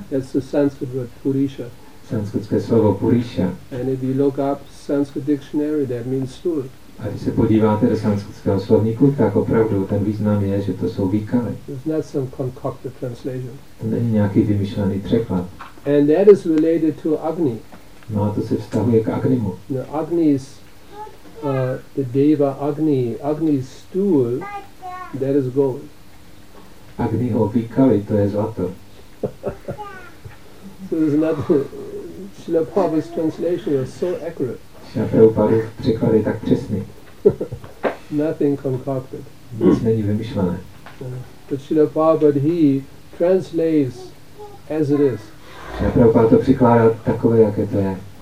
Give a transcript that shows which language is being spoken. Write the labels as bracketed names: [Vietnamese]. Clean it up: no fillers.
[English] That's the Sanskrit word, Purisha. [Czech] Sanskritské slovo Purisha. [English] And if you look up Sanskrit dictionary, that means stool. [Czech] A když se podíváte do sanskritského slovníku, tak opravdu ten význam je, že to jsou výkaly. [English] It's not some concocted translation. [Czech] To není nějaký vymyšlený překlad. [English] And that is related to Agni. [Czech] No, to se vztahuje k Agnimu. [English] No, Agni is the deva Agni. Agni's stool, that is gold. [Czech] Agniho výkaly, to je zlato. [English] So it's not Srila Prabhupada's translation was so accurate. [Czech] Já Prabhupada překlad je tak přesný. [English] Nothing concocted. [Czech] Nic není vymyšlené. [English] But Srila Prabhupada, he translates as it is. [Czech] Já Prabhupada to překládá takové, jaké to je.